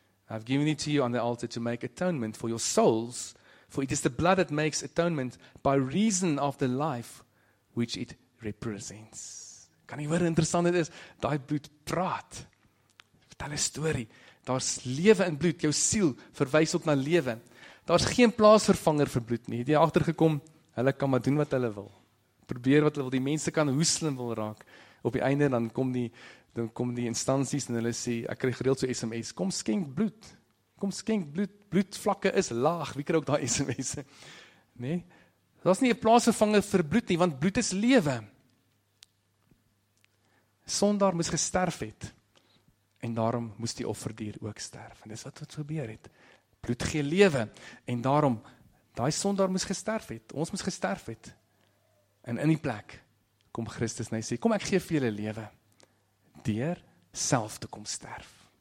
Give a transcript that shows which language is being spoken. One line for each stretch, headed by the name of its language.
English: I've given it to you on the altar to make atonement for your souls, for it is the blood that makes atonement by reason of the life which it represents.
Afrikaans: Kan nie hoor hoe interessant dit is, daai bloed praat. Vertel 'n storie. Daar's lewe in bloed, jou siel verwys op na lewe. Daar's geen plaasvervanger vir bloed nie. Het jy agtergekom, hulle kan maar doen wat hulle wil. Probeer wat hulle wil, die mense kan hoe slim wil raak. Op die einde dan kom die instansies en hulle sê, ek kry gereeld so SMS, kom skenk bloed. Kom skenk bloed, bloedvlakke is laag. Wie kry ook daai SMS'e? Nee? Daar's nie 'n plaasvervanger vir bloed nie, want bloed is lewe. sondaar moes gesterf het, en daarom moes die offerdier ook sterf. En dis wat ons gebeur het. Bloed gee lewe, en daarom, die sondaar moes gesterf het, ons moes gesterf het, en in die plek, kom Christus en hy sê, kom ek gee vir julle lewe, deur self te kom sterf.